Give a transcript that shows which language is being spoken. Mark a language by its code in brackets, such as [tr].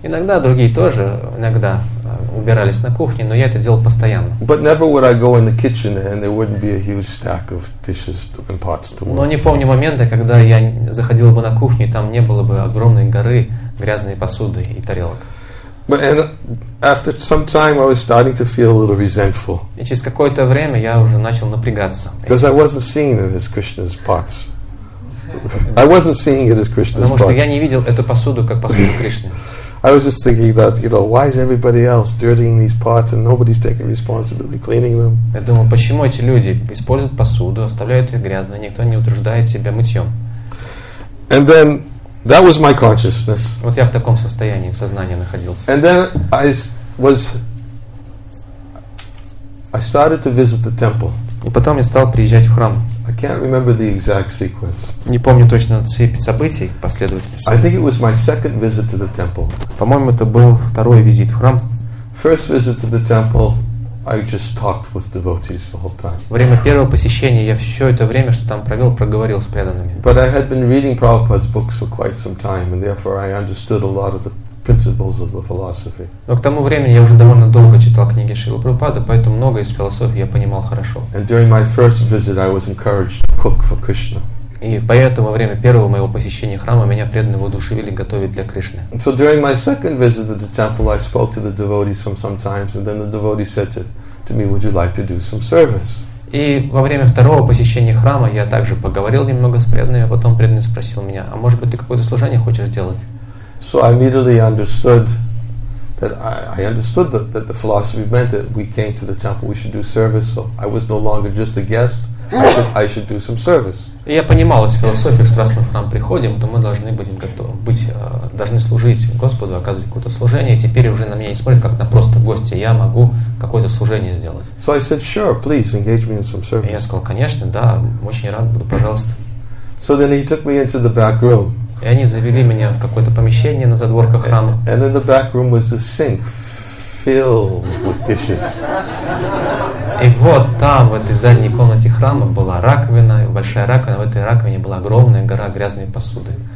[ru] иногда другие тоже иногда убирались на кухне, но я это делал постоянно. [en] But never would I go in the kitchen and there wouldn't be a huge stack of dishes and pots to work. [ru] Но не помню момента, когда я заходил бы на кухню, и там не было бы огромной горы грязной посуды и тарелок. [en] But and after some time, I was starting to feel a little resentful. [ru] И через какое-то время я уже начал напрягаться. [en] Because I wasn't seeing them as Krishna's pots. I wasn't seeing it as Krishna's pots. [ru] Потому что я не видел эту посуду как посуду Кришны. [en] I was just thinking that, you know, why is everybody else dirtying these pots and nobody's taking responsibility cleaning them? [ru] Я думал, почему эти люди используют посуду, оставляют ее грязной, никто не утруждает себя мытьем? [en] And then That was my consciousness. [ru] Вот я в таком состоянии сознания находился. [en] And then I started to visit the temple. [ru] И потом я стал приезжать в храм. [en] I can't remember the exact sequence. [ru] Не помню точно цепь событий последовательности. [en] I think it was my second visit to the temple. [ru] По-моему, это был второй визит в храм. [en] First visit to the temple, I just talked with devotees the whole time. [ru] Время первого посещения я все это время, что там провел, проговорил с преданными. [en] But I had been reading Prabhupada's books for quite some time, and therefore I understood a lot of the principles of the philosophy. [ru] Но к тому времени я уже довольно долго читал книги Шрилы Прабхупады, поэтому много из философии я понимал хорошо. [en] And during my first visit, I was encouraged to cook for Krishna. [ru] И поэтому во время первого моего посещения храма меня преданные воодушевили готовить для Кришны. [en] So during my second visit to the temple, I spoke to the devotees from some times, and then the devotee said to me, "Would you like to do some service?" [ru] И во время второго посещения храма я также поговорил немного с преданными, а потом преданный спросил меня, "А может быть ты какое-то служение хочешь сделать?" [en] So I immediately understood that I understood that the philosophy meant that we came to the temple, we should do service. So I was no longer just a guest. I should do some service. [ru] Я понимал из философии, что раз мы к нам приходим, то мы должны будем готовы быть, должны служить Господу, оказывать какое-то служение. Теперь уже на меня не смотрят как на просто гостя. Я могу какое-то служение сделать. [en] So I said, sure, please engage me in some service. [ru] Я сказал, конечно, да, очень рад буду, пожалуйста. [en] So then he took me into the back room. [ru] И они завели меня в какое-то помещение на задворках храма. [en] And in the back room was a sink filled with dishes. [ru] И вот там, в этой задней комнате храма, была раковина, большая раковина, в этой раковине была огромная гора грязной посуды.